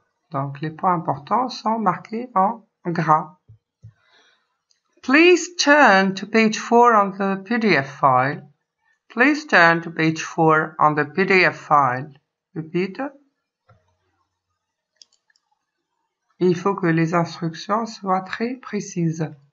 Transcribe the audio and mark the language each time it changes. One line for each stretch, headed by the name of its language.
French: Donc, les points importants sont marqués en gras.
English: Please turn to page 4 on the PDF file. Please turn to page 4 on the PDF file. Repeat.
French: Il faut que les instructions soient très précises.